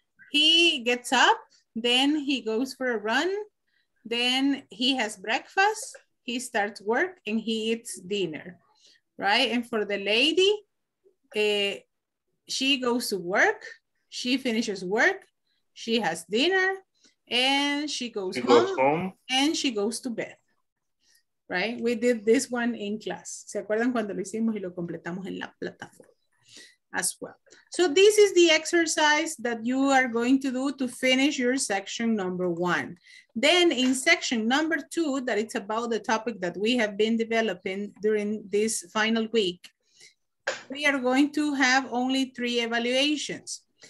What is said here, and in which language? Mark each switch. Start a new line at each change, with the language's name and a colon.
English: He gets up, then he goes for a run, then he has breakfast, he starts work, and he eats dinner, right? And for the lady, she goes to work, she finishes work, she has dinner, and she goes home, and she goes to bed, right? We did this one in class.
Spanish: ¿Se acuerdan cuando lo hicimos y lo completamos en la plataforma?
English: As well. So this is the exercise that you are going to do to finish your section number one. Then in section number two, that it's about the topic that we have been developing during this final week, we are going to have only three evaluations.